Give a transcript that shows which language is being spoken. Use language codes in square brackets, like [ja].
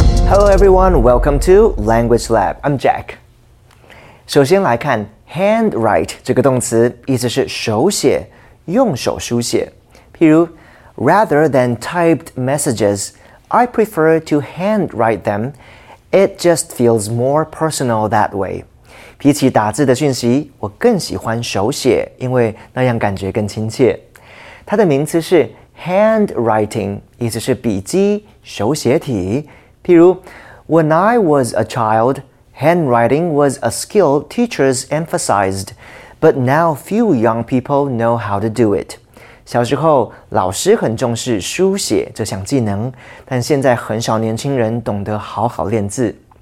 [en] Hello everyone, welcome to Language Lab. I'm Jack. [zh] 首先来看 handwrite 这个动词，意思是手写，用手书写。 [en] 譬如 rather than typed messages, I prefer to handwrite them. It just feels more personal that way. [zh] 比起打字的讯息，我更喜欢手写，因为那样感觉更亲切。它的名词是 handwriting, 意思是笔记、手写体。 [en] 譬如 when I was a child, handwriting was a skill teachers emphasized, but now few young people know how to do it. [zh] 小时候老师很重视书写这项技能，但现在很少年轻人懂得好好练字。